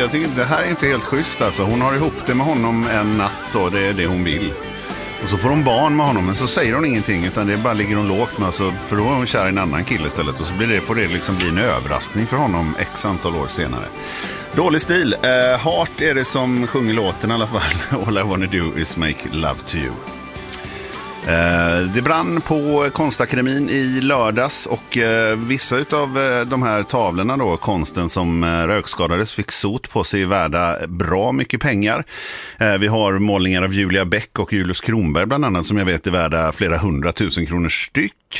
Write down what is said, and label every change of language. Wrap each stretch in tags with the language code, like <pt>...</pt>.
<sv>Jag tycker det här är inte helt schysst. Alltså. Hon har ihop det med honom en natt och det är det hon vill. Och så får hon barn med honom, men så säger hon ingenting, utan det bara ligger hon lågt med. Alltså, för då är hon kär i en annan kille istället. Och så blir det, får det liksom bli en överraskning för honom x antal år senare. Dålig stil. Heart är det som sjunger låten i alla fall.</sv> <en>All I wanna do is make love to you.</en> <sv>Det brann på Konstakademin i lördags och vissa av de här tavlorna då, konsten som rökskadades, fick sot på sig värda bra mycket pengar. Vi har målningar av Julia Bäck och Julius Kronberg bland annat som jag vet är värda flera hundratusen kronor styck.</sv>